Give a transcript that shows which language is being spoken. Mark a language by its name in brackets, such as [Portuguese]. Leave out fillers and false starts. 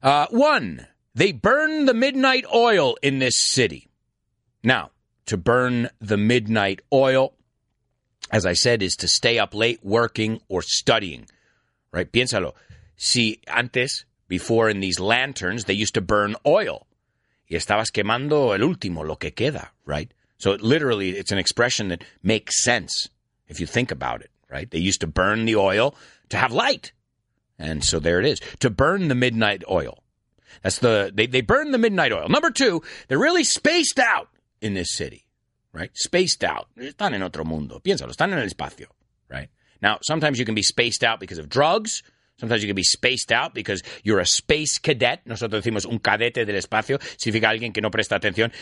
[English] One, they burn the midnight oil in this city. Now, to burn the midnight oil, as I said, is to stay up late working or studying. Right, [Spanish] piénsalo. Si antes, [English] before in these lanterns, they used to burn oil. [Spanish] Y estabas quemando el último, lo que queda, right? [English] So it literally, it's an expression that makes sense if you think about it, right? They used to burn the oil to have light. And so there it is. To burn the midnight oil. That's the, they burn the midnight oil. Number two, they're really spaced out in this city, right? Spaced out. [Spanish] Están en otro mundo. Piénsalo, están en el espacio, right? [English] Now, sometimes you can be spaced out because of drugs. Sometimes you can be spaced out because you're a space cadet. [Spanish] Nosotros decimos un cadete del espacio. Significa alguien que no presta atención.